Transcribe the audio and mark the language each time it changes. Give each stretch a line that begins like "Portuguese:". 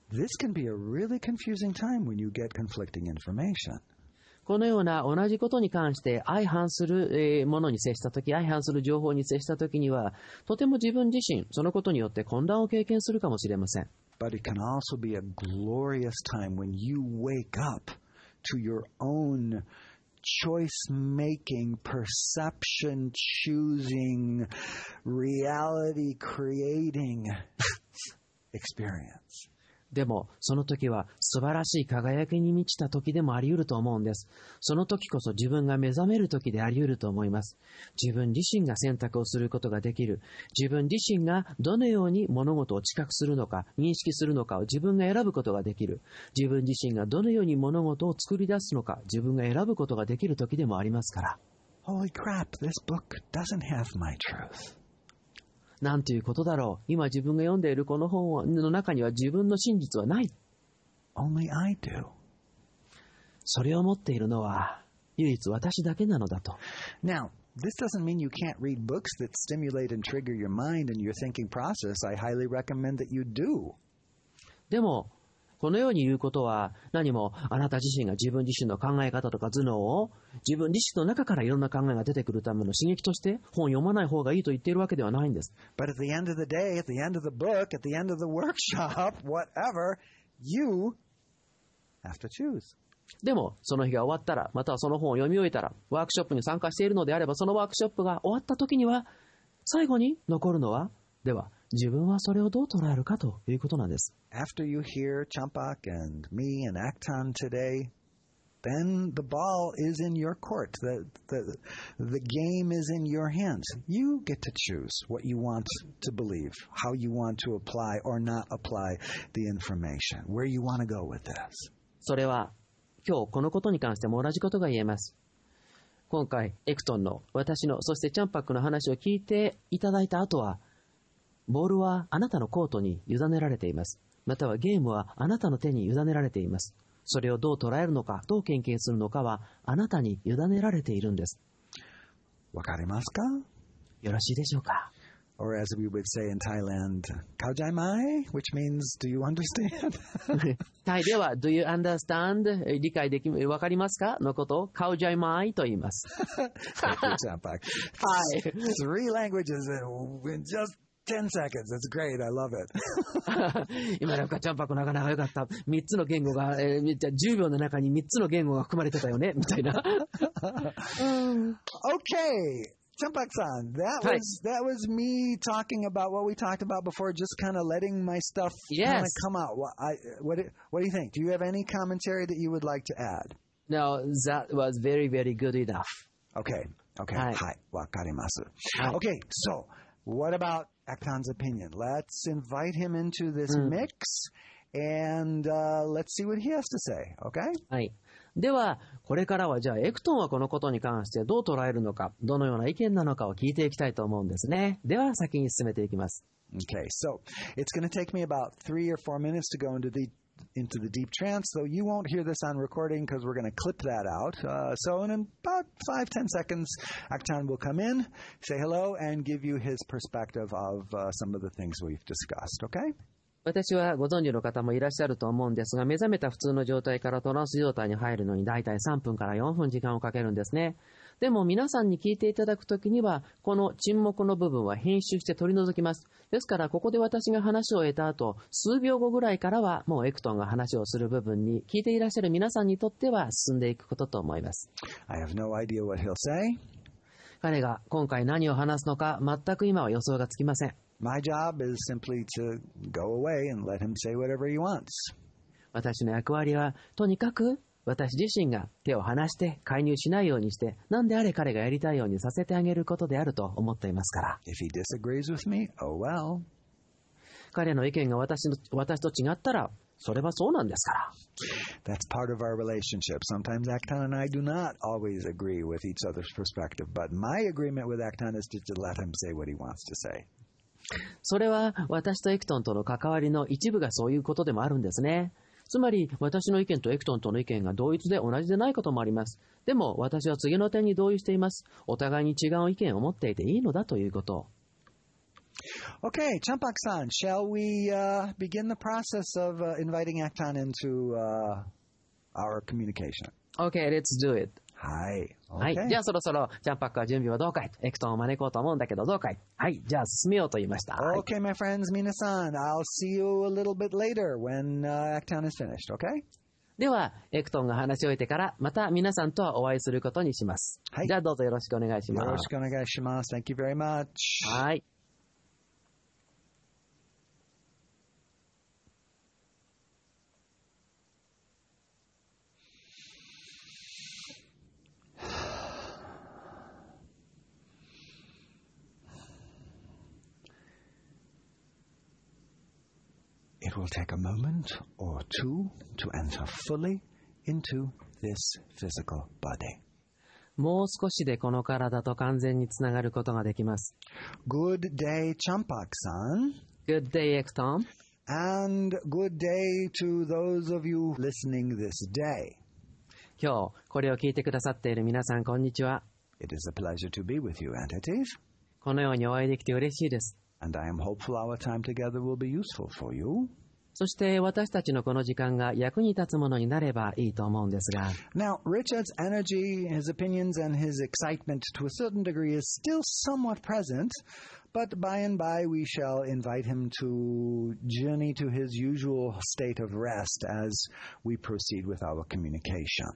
English: This can be a really confusing time when you get conflicting information.
Japanese: このような同じことに関して相反するものに接したとき、相反する情報に接したときには、とても自分自身、そのことによって混乱を経験するかもしれません。
English: But it can also be a glorious time when you wake up to your own choice-making, perception-choosing, reality-creating experience.
Japanese: でもその時は素晴らしい輝きに満ちた時でもあり得ると思うんです。その時こそ自分が目覚める時であり得ると思います。自分自身が選択をすることができる。自分自身がどのように物事を知覚するのか、認識するのかを自分が選ぶことができる。自分自身がどのように物事を作り出すのか、自分が選ぶことができる時でもありますから。
English: Holy crap, this book doesn't have my truth.
Japanese: なんていうことだろう。今自分が読んでいるこの本の中には自分の真実はない。
English: Only I do.
Japanese: それを持っているのは唯一私だけなのだと。
English: Now, this doesn't mean you can't read books that stimulate and trigger your mind and your thinking process. I highly recommend that you do.
Japanese: でも、このように言うことは何もあなた自身が自分自身の考え方とか頭脳を自分自身の中からいろんな考えが出てくるための刺激として本を読まない方がいいと言っているわけではないんです。
English: But at the end of the day, at the end of the book, at the end of the workshop, whatever, you have to choose.
Japanese: でもその日が終わったら、またはその本を読み終えたら、ワークショップに参加しているのであれば、そのワークショップが終わった時には最後に残るのは、では自分はそれをどう捉えるかということなんです。
English: After you hear Champak and me and Acton today, then the ball is in your court. The game is in your hands. You get to choose what you want to believe, how you want to apply or not apply the information, where you want to go with this.
Japanese: それは今日このことに関しても同じことが言えます。今回エクトンの私のそしてチャンパックの話を聞いていただいた後は、ボールはあなたのコートに委ねられています。またはゲームはあなたの手に委ねられています。それをどう捉えるのか、どう研究するのかはあなたに委ねられているんです。わかりますか？よろしいでしょうか？
English: Or as we would say in Thailand,
Thai: Khao Jai Mai,
English: which means, do you understand?
Japanese: タイでは、
English: do you understand?
Japanese: 理解でき、わかりますか? のことを
Thai: Khao Jai Mai
Japanese: と言います。
English: Thank you, Champak.
Japanese: はい。
English: Three languages in just 10 seconds. That's great. I love it.
Japanese: 今なんか、チャンパクなかなか良かった。3つの言語が、10秒の中に3つの言語が含まれてたよね、みたいな。
English: Okay. Champak-san, that was me talking about what we talked about before, just kind of letting my stuff、 yes. kind of come out. What do you think? Do you have any commentary that you would like to add? No, that was very, very good enough. Okay. Hi.
Japanese: Wakarimasu.
English: Okay, so what about Acton's opinion? Let's invite him into this、mix and、let's see what he has to say, okay? Hi.
Japanese: ではこれからはじゃあエクトンはこのことに関してどう捉えるのか、どのような意見なのかを聞いていきたいと思うんですね。では先に進めていきます。
English: Okay, so it's going to take me about 3 or 4 minutes to go into the deep trance, though you won't hear this on recording because we're going to clip that out.、so in about 5-10 seconds, Acton will come in, say hello, and give you his perspective of、some of the things we've discussed, okay?
Japanese: 私はご存知の方もいらっしゃると思うんですが、目覚めた普通の状態からトランス状態に入るのにだいたい3分から4分時間をかけるんですね。でも皆さんに聞いていただくときにはこの沈黙の部分は編集して取り除きます。ですからここで私が話を終えた後数秒後ぐらいからはもうエクトンが話をする部分に聞いていらっしゃる皆さんにとっては進んでいくことと思います。
English: I have no idea what he'll say.
Japanese: 彼が今回何を話すのか全く今は予想がつきません。
English: My job is simply to go away and let him say whatever he wants.
Japanese: 私の役割はとにかく私自身が手を離して介入しないようにして、何であれ彼がやりたいようにさせてあげることであると思っていますから。
English: If he disagrees with me, oh well.
Japanese: 彼の意見が私と違ったら、それはそうなんですから。
English: That's part of our relationship. Sometimes Acton and I do not always agree with each other's perspective, but my agreement with Acton is to let him say what he wants to say.
Japanese: それは私とエクトンとの関わりの一部がそういうことでもあるんですね。つまり私の意見とエクトンとの意見が同一で同じでないこともあります。でも私は次の点に同意しています。お互いに違う意見を持っていていいのだということ。
English: OK, Champak-san, shall we、begin the process of、inviting Acton into、our communication? OK, let's do it.
Japanese: はい、はい、じゃあそろそろチャンパックは準備はどうかい、エクトンを招こうと思うんだけどどうかい。はい、じゃあ進めようと言いました。
English: OK, my friends,
Japanese: 皆さん、
English: I'll see you a little bit later when、Acton is finished, OK?
Japanese: では、エクトンが話し終えてから、また皆さんとはお会いすることにします。はい、じゃあどうぞよろしくお願いします。よろしくお願いします。
English: Thank you very much.
Japanese: はい。
English: It will take a moment or two to enter fully into this physical body.
Japanese: もう少しでこの体と完全につながることができます。
English: Good day, Champak san. Good day, Ektom. And good day to those of you listening this day.
Japanese: 今日これを聞いてくださっている皆さん、こんにちは。
English: It is a pleasure to be with you, Antetiv.
Japanese: このようにお会いできて嬉しいです。
English: And I am hopeful our time together will be useful for you.
Japanese: そして私たちのこの時間が役に立つものになればいいと思うんですが。
English: Now, Richard's energy, his opinions, and his excitement to a certain degree is still somewhat present, but by and by we shall invite him to journey to his usual state of rest as we proceed with our communication.